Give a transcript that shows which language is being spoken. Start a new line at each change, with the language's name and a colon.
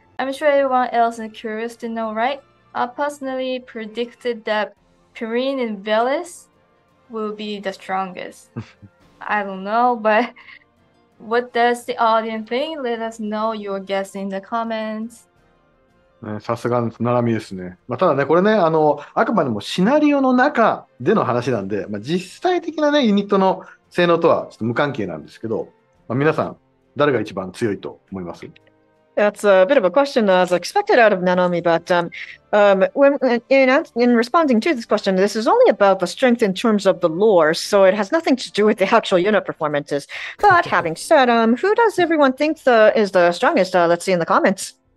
English: I'm sure everyone else is curious to know, right? I personally predicted that Pirin and Velis will be the strongest. I don't know, but what does the audience think? Let us know your guess in the comments.
Japanese: さすがナナミですね。まあ、ただね、これね、あくまでもシナリオの中での話なんで、まあ、実際的なね、ユニットの性能とはちょっと無関係なんですけど、まあ、皆さん、誰が一番強いと思います？
English: That's a bit of a question as expected out of Nanami, but in responding to this question, this is only about the strength in terms of the lore, so it has nothing to do with the actual unit performances. But having said, who does everyone think is the strongest? Let's see in the comments.